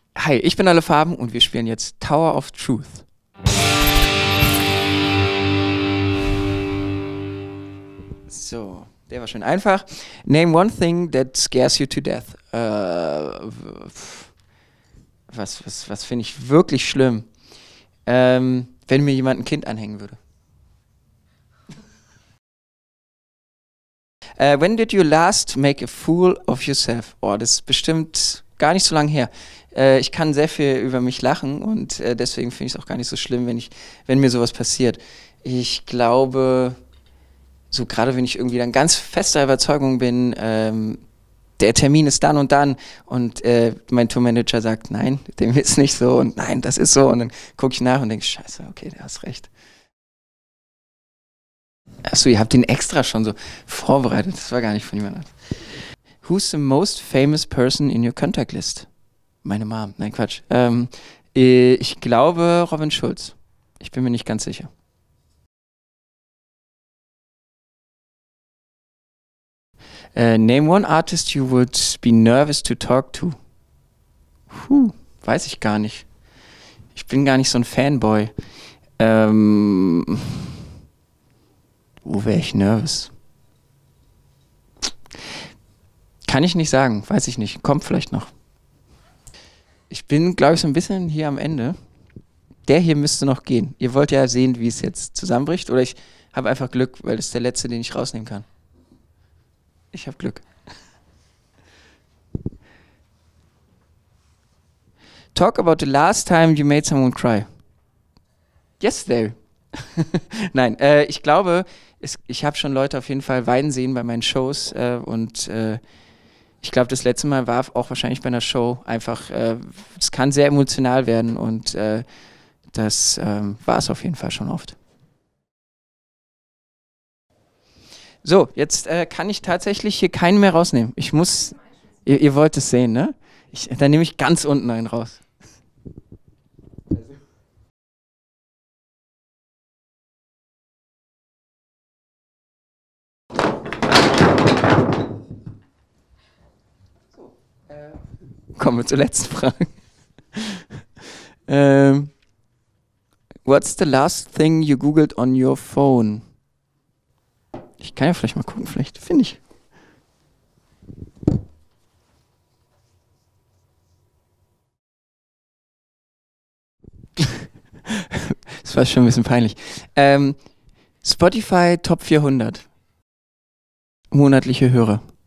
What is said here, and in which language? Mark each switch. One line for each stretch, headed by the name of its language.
German: Hi, ich bin Alle Farben und wir spielen jetzt Tower of Truth. So, der war schön einfach.
English: Name one thing that scares you to death.
German: Was finde ich wirklich schlimm? Wenn mir jemand ein Kind anhängen würde.
English: When did you last make a fool of yourself?
German: Oh, das ist bestimmt gar nicht so lange her. Ich kann sehr viel über mich lachen und deswegen finde ich es auch gar nicht so schlimm, wenn mir sowas passiert. Ich glaube, so gerade wenn ich irgendwie dann ganz fester Überzeugung bin, der Termin ist dann und dann und mein Tourmanager sagt, nein, dem ist nicht so und nein, das ist so und dann gucke ich nach und denke, scheiße, okay, der hat recht. Achso, ihr habt den extra schon so vorbereitet, das war gar nicht von jemandem.
English: Who's the most famous person in your contact list?
German: Meine Mom, nein, Quatsch. Ich glaube Robin Schulz, ich bin mir nicht ganz sicher.
English: Name one artist you would be nervous to talk to.
German: Puh, weiß ich gar nicht. Ich bin gar nicht so ein Fanboy. Wo wäre ich nervous? Kann ich nicht sagen, weiß ich nicht. Kommt vielleicht noch. Ich bin, glaube ich, so ein bisschen hier am Ende. Der hier müsste noch gehen. Ihr wollt ja sehen, wie es jetzt zusammenbricht. Oder ich habe einfach Glück, weil das ist der letzte, den ich rausnehmen kann. Ich habe Glück.
English: Talk about the last time you made someone cry. Yesterday.
German: Nein, ich glaube, ich habe schon Leute auf jeden Fall weinen sehen bei meinen Shows. Ich glaube, das letzte Mal war auch wahrscheinlich bei einer Show einfach, es kann sehr emotional werden und das war es auf jeden Fall schon oft. So, jetzt kann ich tatsächlich hier keinen mehr rausnehmen. Ich muss, ihr wollt es sehen, ne? Dann nehme ich ganz unten einen raus. Kommen wir zur letzten Frage.
English: What's the last thing you googled on your phone?
German: Ich kann ja vielleicht mal gucken, vielleicht finde ich. Das war schon ein bisschen peinlich. Spotify Top 400. Monatliche Hörer.